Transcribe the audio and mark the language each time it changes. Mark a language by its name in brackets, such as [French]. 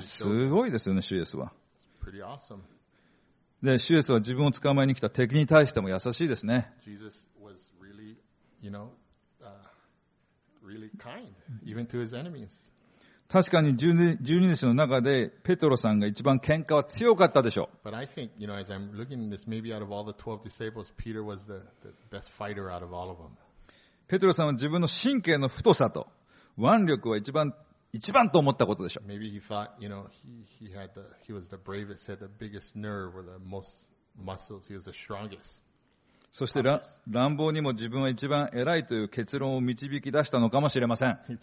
[Japanese] すごいですよね、シエスは。 [English] Pretty awesome. [Japanese] で、シエスは自分を捕まえに来た敵に対しても優しいですね。 [English] Jesus was really, you know,Really、kind, even to his enemies. [Japanese] 確かに12弟子の中でペトロさんが一番喧嘩は強かったでしょう。 [English] But I think, you know, as I'm looking at this, maybe out of all the 12 disciples, Peter was the best fighter out of all of them. [Japanese] ペトロさんは自分の神経の太さと腕力は一番と思ったことでしょう。 [English] Maybe he thought, you know, he was the bravest, had the biggest nerve or the most muscles, he was the strongest. [Japanese] そして乱暴にも自分は一番偉いという結論を導き出したのかもしれません。